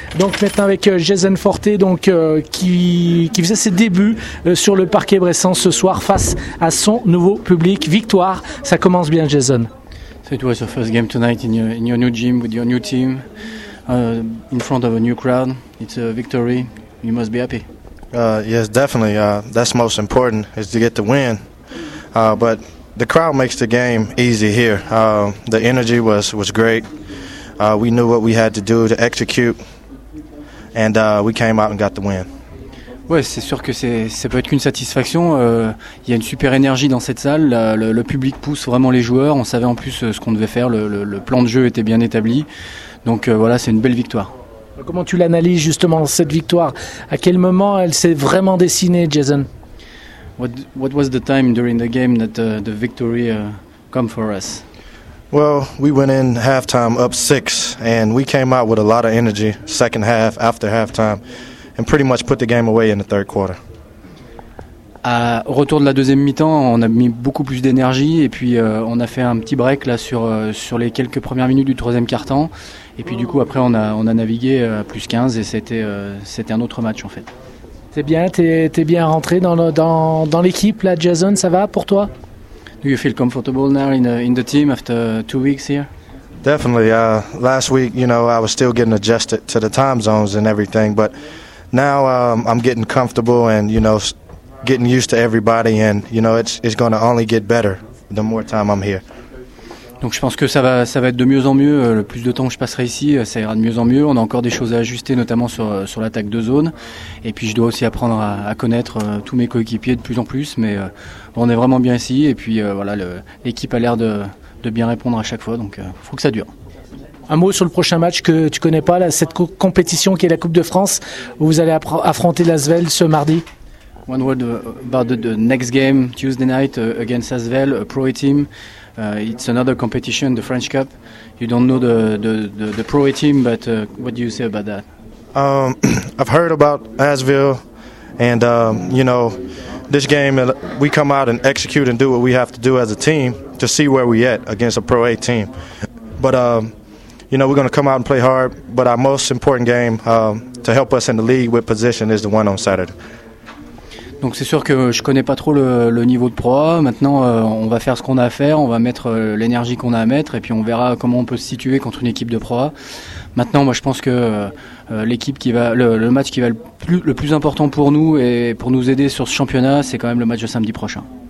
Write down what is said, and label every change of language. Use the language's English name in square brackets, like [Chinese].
[French] donc maintenant avec Jason Forte donc, qui faisait ses débuts sur le parquet bressan ce soir face à son nouveau public. Victoire, ça commence bien Jason. [English] So it was your first game tonight in your new gym with your new team in front of a new crowd. It's a victory, you must be happy. Yes, definitely. That's most important, is to get the win. But the crowd makes the game easy here. The energy was great. We knew what we had to do to execute, and we came out and got the win. [French] Ouais, c'est sûr que ça peut être qu'une satisfaction. Il y a une super énergie dans cette salle. Le public pousse vraiment les joueurs. On savait en plus ce qu'on devait faire. Le plan de jeu était bien établi. Donc voilà, c'est une belle victoire. Comment tu l'analyses justement cette victoire? À quel moment elle s'est vraiment dessinée, Jason? [English] What was the time during the game that the victory come for us? Well, we went in halftime up 6 and we came out with a lot of energy second half after halftime and pretty much put the game away in the third quarter. [French] Au retour de la deuxième mi-temps, on a mis beaucoup plus d'énergie et puis on a fait un petit break là sur les quelques premières minutes du troisième quart-temps. Et puis du coup, après, on a navigué plus 15 et c'était un autre match en fait. C'est bien, t'es bien rentré dans l'équipe là, Jason, ça va pour toi? [English] Do you feel comfortable now in the team after 2 weeks here? Definitely. Last week, you know, I was still getting adjusted to the time zones and everything, but now I'm getting comfortable and, you know, getting used to everybody and, you know, it's going to only get better the more time I'm here. [French] Donc je pense que ça va être de mieux en mieux. Le plus de temps que je passerai ici, ça ira de mieux en mieux. On a encore des choses à ajuster, notamment sur l'attaque de zone. Et puis je dois aussi apprendre à connaître tous mes coéquipiers de plus en plus. Mais on est vraiment bien ici. Et puis voilà, l'équipe a l'air de bien répondre à chaque fois. Donc il faut que ça dure. Un mot sur le prochain match que tu connais pas, cette compétition qui est la Coupe de France, où vous allez affronter l'ASVEL ce mardi. [English] One word about the next game, Tuesday night against ASVEL, a pro team. It's another competition, the French Cup. You don't know the pro team, but what do you say about that? I've heard about ASVEL, and you know, this game, we come out and execute and do what we have to do as a team to see where we at against a pro A team. But you know, we're going to come out and play hard. But our most important game to help us in the league with position is the one on Saturday. [French] Donc c'est sûr que je connais pas trop le niveau de Pro A. Maintenant, on va faire ce qu'on a à faire, on va mettre l'énergie qu'on a à mettre et puis on verra comment on peut se situer contre une équipe de Pro A. Maintenant, moi je pense que le match qui va le plus important pour nous et pour nous aider sur ce championnat, c'est quand même le match de samedi prochain.